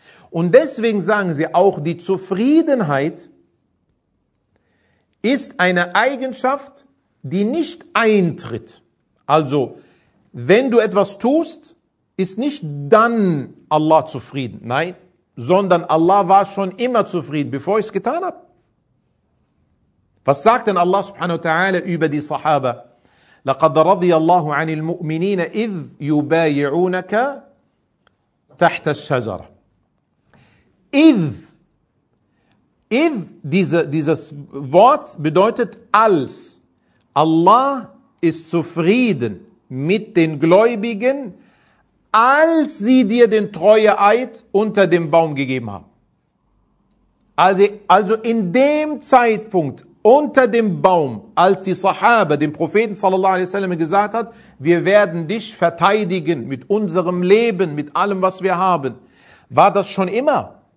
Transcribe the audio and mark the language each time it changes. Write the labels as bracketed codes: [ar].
[de] Und deswegen sagen sie auch, die Zufriedenheit ist eine Eigenschaft, die nicht eintritt. Also, wenn du etwas tust, ist nicht dann Allah zufrieden, nein, sondern Allah war schon immer zufrieden, bevor ich es getan habe. Was sagt denn Allah subhanahu wa ta'ala über die Sahaba? [ar] لَقَدْ رَضِيَ اللَّهُ عَنِ الْمُؤْمِنِينَ إِذْ يُبَايِعُونَكَ تَحْتَ الشَّجَرَةِ إِذْ, [de] dieses Wort bedeutet als. Allah ist zufrieden mit den Gläubigen, als sie dir den Treueeid unter dem Baum gegeben haben. Also in dem Zeitpunkt unter dem Baum, als die Sahaba dem Propheten sallallahu alaihi wasallam gesagt hat, wir werden dich verteidigen mit unserem Leben, mit allem, was wir haben, war das schon immer.